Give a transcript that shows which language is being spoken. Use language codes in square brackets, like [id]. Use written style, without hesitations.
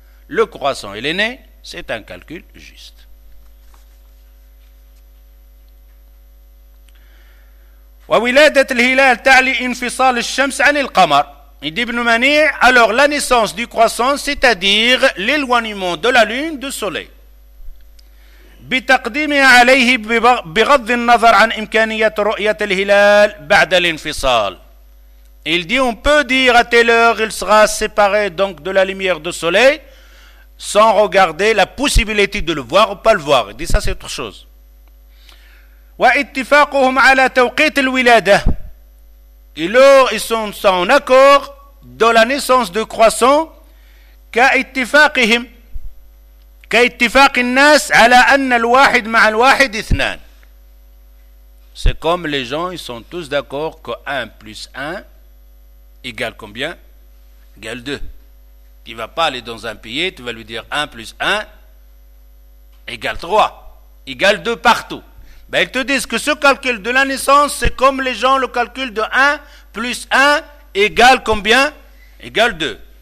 [fr] Le croissant, il est né, c'est un calcul juste. [ar] وَوِلَادَةَ الْهِلَالِ تَعْلِي إِنْفِصَالِ الشَّمْسِ عَنِ الْقَمَرِ [fr] Ibn Manir, alors la naissance du croissant, c'est-à-dire l'éloignement de la lune du soleil. [ar] بتقديمها عليه بغض النظر عن إمكانية رؤية الهلال بعد الانفصال. [fr] Il dit on peut dire à telle heure il sera séparé donc de la lumière du soleil sans regarder la possibilité de le voir ou pas le voir. Il dit ça c'est autre chose. [ar] واتفاقهم على توقيت الولادة. [fr] Ils sont en accord dans la naissance du croissant [ar] كاتفاقهم. كاتفاق الناس على أن الواحد مع الواحد اثنان. [fr] C'est comme les gens, ils sont tous d'accord que 1 plus 1 égale combien? Égale 2. Tu ne vas pas aller dans un pays, tu vas lui dire 1 plus 1 égale 3. Égale 2 partout. Ben, ils te disent que ce calcul de la naissance, c'est comme les gens, le calcul de 1 plus 1 égale combien? Égale 2.